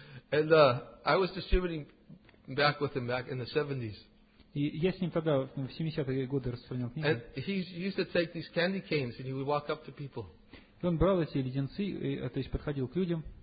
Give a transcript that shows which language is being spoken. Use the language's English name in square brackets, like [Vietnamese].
[English] And I was distributing back with him back in the 70s. [Russian] И я с ним тогда в 70-е годы распространял книги. [English] And he used to take these candy canes and he would walk up to people. [Russian] Он брал эти леденцы, то есть подходил к людям.